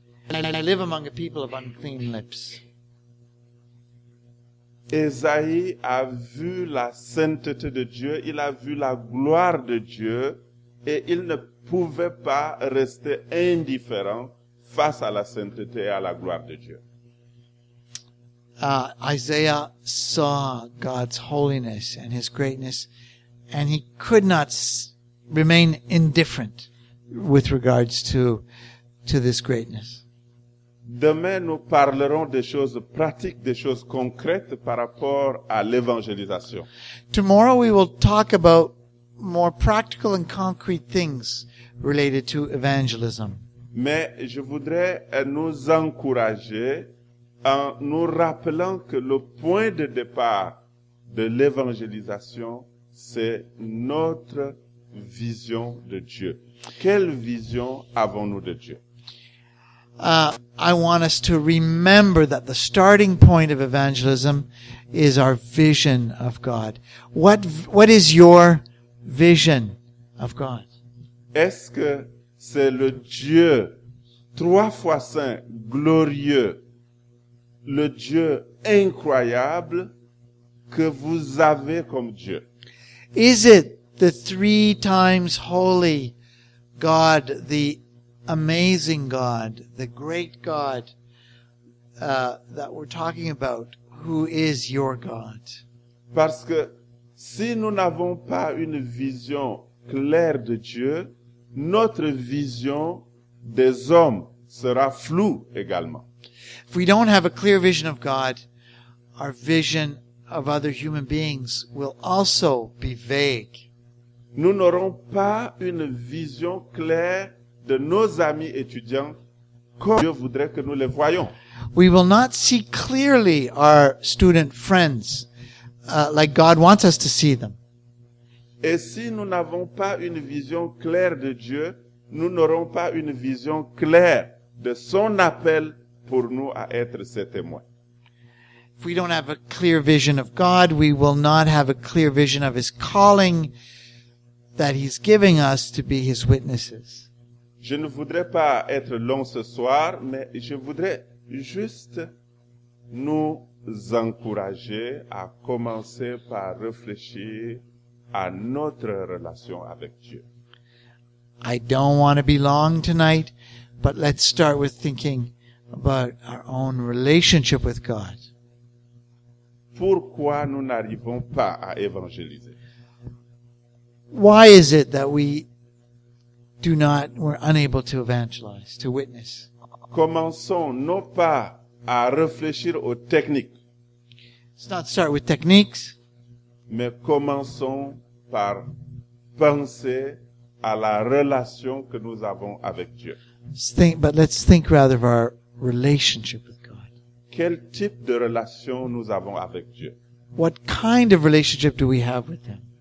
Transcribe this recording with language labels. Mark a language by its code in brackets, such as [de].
[en] And I live among a people of unclean lips. [fr] Esaïe a vu la sainteté de Dieu, il a vu la gloire de Dieu, et il ne pouvait pas rester indifférent face à la sainteté et à la gloire de Dieu. [en] Isaiah saw God's holiness and his greatness, and he could not remain indifferent with regards to this greatness. [fr] Demain, nous parlerons des choses pratiques, des choses concrètes par rapport à l'évangélisation. [en] Tomorrow, we will talk about more practical and concrete things related to evangelism. [fr] Mais je voudrais nous encourager en nous rappelant que le point de départ de l'évangélisation, c'est notre vision de Dieu. Quelle vision avons-nous de Dieu? [en] I want us to remember that the starting point of evangelism is our vision of God. What is your vision of God? [fr] Est-ce que c'est le Dieu trois fois saint, glorieux, le Dieu incroyable que vous avez comme Dieu. [en] Is it the three times holy God, the amazing God, the great God that we're talking about, who is your God? [fr] Parce que si nous n'avons pas une vision claire de Dieu, notre vision des hommes sera floue également. [en] If we don't have a clear vision of God, our vision of other human beings will also be vague. [fr] Nous n'aurons pas une vision claire de nos amis étudiants comme Dieu voudrait que nous les voyions. [en] We will not see clearly our student friends like God wants us to see them. [fr] Et si nous n'avons pas une vision claire de Dieu, nous n'aurons pas une vision claire de son appel pour nous à être ses témoins. [en] If we don't have a clear vision of God, we will not have a clear vision of his calling that he's giving us to be his witnesses. [fr] Je ne voudrais pas être long ce soir, mais je voudrais juste nous encourager à commencer par réfléchir à notre relation avec Dieu. [en] I don't want to be long tonight, but let's start with thinking about our own relationship with God. [fr] Pourquoi nous n'arrivons pas à évangéliser? [en] Why is it that we do not, we're unable to evangelize, to witness? [fr] Commençons non pas à réfléchir aux techniques. [en] Let's not start with techniques. [fr] Mais commençons par penser à la relation que nous avons avec Dieu. [en] Let's think rather of our relationship with God. [fr] Quel type de relation nous avons avec Dieu? [en] What kind of relationship do we have with him?